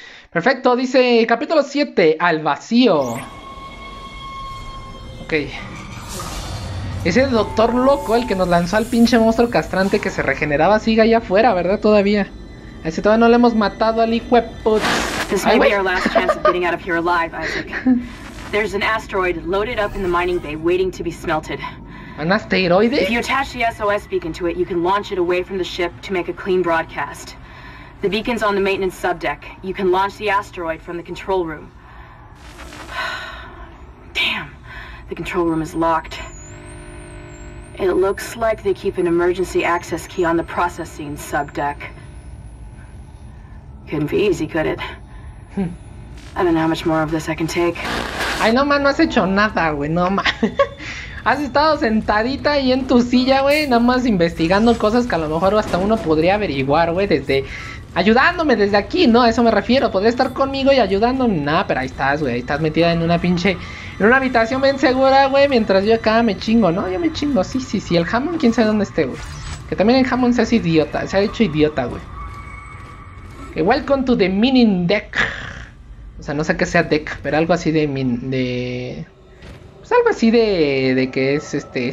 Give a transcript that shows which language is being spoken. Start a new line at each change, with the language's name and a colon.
Spanish: Perfecto, dice capítulo 7. Al vacío. Ok. Ese doctor loco, el que nos lanzó al pinche monstruo castrante que se regeneraba, sigue allá afuera, ¿verdad? Todavía. Ese todavía no le hemos matado al hijo de puta.
English: This may be our last chance of getting out of here alive, Isaac. There's an asteroid loaded up in the mining bay waiting to be smelted.
Spanish: ¿Un asteroide?
English: If you attach the SOS beacon to it, you can launch it away from the ship to make a clean broadcast. The beacon's on the maintenance subdeck. You can launch the asteroid from the control room. Damn, the control room is locked. It looks like they keep an emergency access key on the processing subdeck. Couldn't be easy, could it? I don't know how much more of this I can take.
Spanish: Ay, no más, no has hecho nada, güey, no más. Has estado sentadita ahí en tu silla, güey, nada más investigando cosas que a lo mejor hasta uno podría averiguar, güey, desde... ayudándome desde aquí, ¿no? A eso me refiero. Podría estar conmigo y ayudándome. Nah, pero ahí estás, güey. Ahí estás metida en una pinche... en una habitación bien segura, güey. Mientras yo acá me chingo, ¿no? Yo me chingo. Sí, sí, sí. El jamón, quién sabe dónde esté, güey. Que también el jamón se hace idiota. Se ha hecho idiota, güey.
English: Que welcome to the mining deck.
Spanish: O sea, no sé qué sea deck, pero algo así de min... de... pues algo así de que es este...